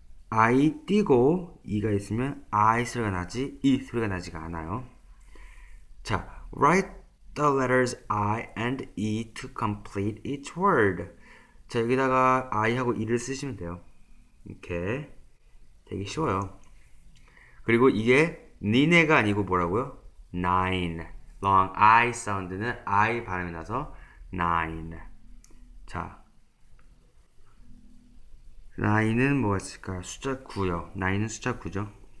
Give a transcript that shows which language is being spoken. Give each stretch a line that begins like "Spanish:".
Korean: I 띄고 E가 있으면 I 소리가 나지 E 소리가 나지가 않아요.
English: 자, write the letters I and E to complete each word.
Korean: 자, 여기다가 I하고 E를 쓰시면 돼요. 이렇게 되게 쉬워요. 그리고 이게 니네가 아니고 뭐라고요?
English: Nine. Long I
Korean: 사운드는 I 발음이 나서
English: nine.
Korean: 자, nine은 뭐가 있을까요? 숫자 9요. nine은 숫자 9죠.